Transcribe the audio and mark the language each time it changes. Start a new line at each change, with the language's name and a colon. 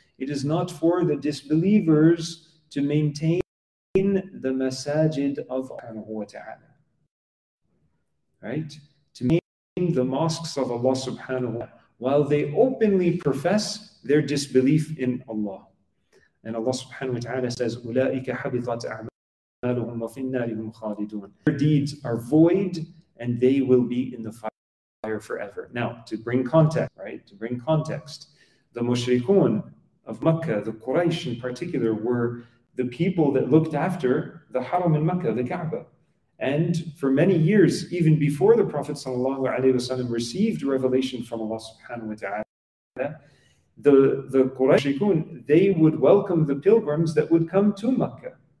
English: It is not for the disbelievers to maintain the masajid of Allah subhanahu wa ta'ala. Right? To maintain the mosques of Allah subhanahu wa ta'ala while they openly profess their disbelief in Allah. And Allah subhanahu wa ta'ala says,
Arabic: أُولَٰئِكَ حَبِطَتْ أَعْمَالُهُمْ وَفِي النَّارِ هُمْ خَالِدُونَ.
English: Their deeds are void, and they will be in the fire forever. Now, to bring context, right? To bring context, the mushrikun of Mecca, the Quraysh in particular, were the people that looked after the haram in Mecca, the Kaaba. And for many years, even before the Prophet sallallahu alayhi wa sallam received revelation from Allah subhanahu wa ta'ala, the Qurayshikun, they would welcome the pilgrims that would come to Mecca.